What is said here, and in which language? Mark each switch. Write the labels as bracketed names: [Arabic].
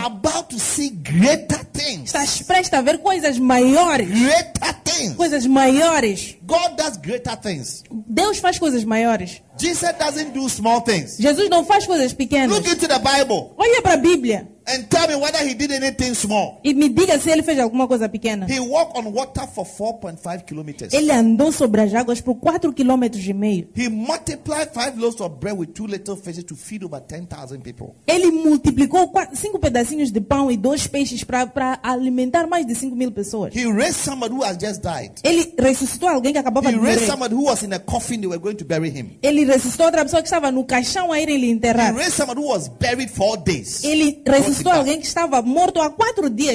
[English] You are about to see greater things. [Portuguese] Estás prestes a ver coisas maiores. [English] Greater things. [Portuguese] Coisas maiores. [English] God does greater things. [Portuguese] Deus faz coisas maiores. [English] Jesus doesn't do small things. [Portuguese] Jesus não faz coisas pequenas. [English] Look into the Bible. [Portuguese] Olha para a Bíblia. [English] And tell me whether he did anything small. [Portuguese] E me diga se ele fez alguma coisa pequena. [English] He walked on water for 4.5 kilometers. [Portuguese] Ele andou sobre as águas por 4 quilômetros e meio. [English] He multiplied 5 loaves of bread with 2 little fishes to feed over 10,000 people. [Portuguese] Ele multiplicou 5 pedacinhos de pão e 2 peixes para alimentar mais de 5 mil pessoas. [English] He raised somebody who has just died. [Portuguese] Ele ressuscitou alguém que acabava de morrer. [English] He raised somebody who was in a coffin, they were going to bury him. [Portuguese] Ele ressuscitou outra pessoa que estava no caixão a irem lhe enterrar. [English] He raised somebody who was buried 4 days. [Portuguese] Ele ressuscitou alguém que estava morto há 4 dias.